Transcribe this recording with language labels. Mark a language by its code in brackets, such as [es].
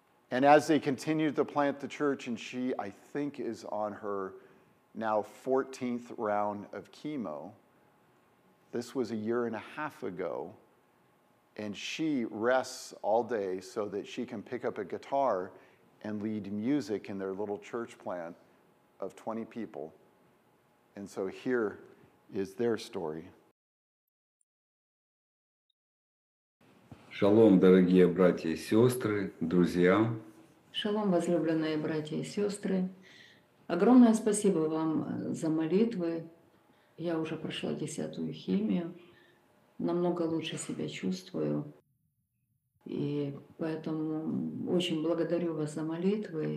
[en] And as they continued to plant the church, and she, I think, is on her now 14th round of chemo, this was a year and a half ago, and she rests all day so that she can pick up a guitar and lead music in their little church plant of 20 people. And so here is their story. [uk] Шалом, дорогі браті і сестри, друзья. [ru] Шалом, возлюбленные братья и сестры. Огромное спасибо вам за молитвы. Я уже прошла 10-ю химию. Намного лучше себя чувствую. И поэтому очень благодарю вас за молитвы.